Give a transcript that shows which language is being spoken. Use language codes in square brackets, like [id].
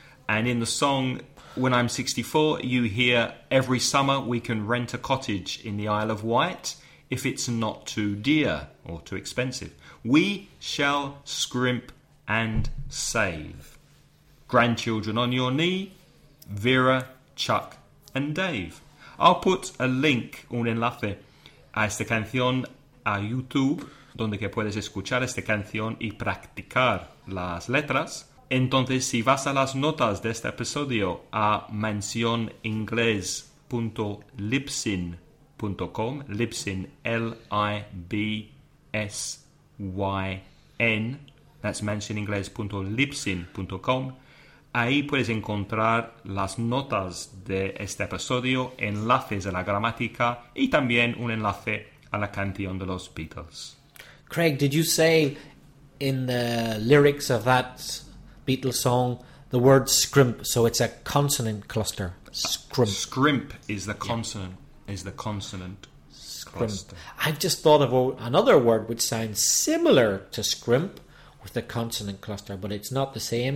[en] And in the song When I'm 64, you hear, every summer we can rent a cottage in the Isle of Wight if it's not too dear or too expensive. We shall scrimp and save. Grandchildren on your knee, Vera, Chuck and Dave. I'll put a link, [es] un enlace, a esta canción a YouTube, donde que puedes escuchar esta canción y practicar las letras. Entonces, si vas a las notas de este episodio a mencioningles.libsyn.com, Libsyn, L-I-B-S-Y-N, that's mencioningles.libsyn.com, ahí puedes encontrar las notas de este episodio, enlaces a la gramática y también un enlace a la canción de los Beatles. [en] Craig, did you say in the lyrics of that Beatles song, the word scrimp, so it's a consonant cluster. Scrimp. Scrimp is the consonant, is the consonant scrimp. Cluster. I've just thought of another word which sounds similar to scrimp with a consonant cluster, but it's not the same.